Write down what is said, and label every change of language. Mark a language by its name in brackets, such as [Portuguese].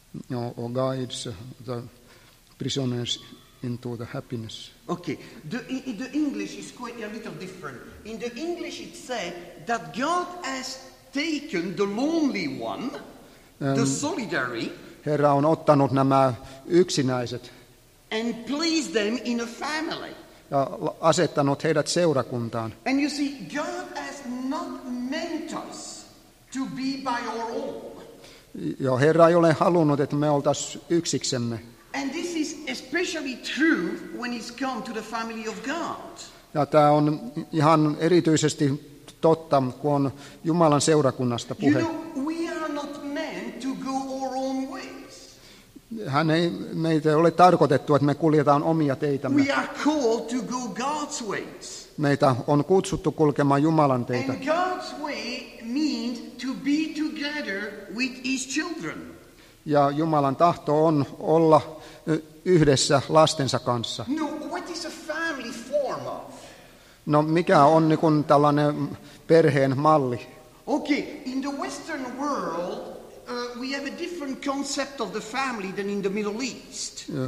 [English] or guides the prisoners into the happiness. Okay, the English is quite a little different. In the English it says that God has taken the lonely one, the solitary, [Finnish] Herra on ottanut nämä yksinäiset, [English] and placed them in a family. [Finnish] ja asettanut heidät seurakuntaan. [English] And you see, God has not meant us to be by our own. [Finnish] Jo, Herra ei ole halunnut, että me oltaisiin yksiksemme. [English] And this is especially true when it's come to the family of God. [Finnish] Ja tämä on ihan erityisesti totta, kun on Jumalan seurakunnasta puhe. [English] You know, we are not meant to go our own ways. [Finnish] Hän ei meitä ole tarkoitettu, että me kuljetaan omia teitämme. [English] We are called to go God's ways. [Finnish] Meitä on kutsuttu kulkemaan Jumalan teitä. [English] And God's way means to be together with his children. [Finnish] Ja Jumalan tahto on olla yhdessä lastensa kanssa. [English] No, what is a family form of? [Finnish] No, mikä on niin kuin tällainen perheen malli? [English] Okay, in the Western world, we have a different concept of the family than in the Middle East.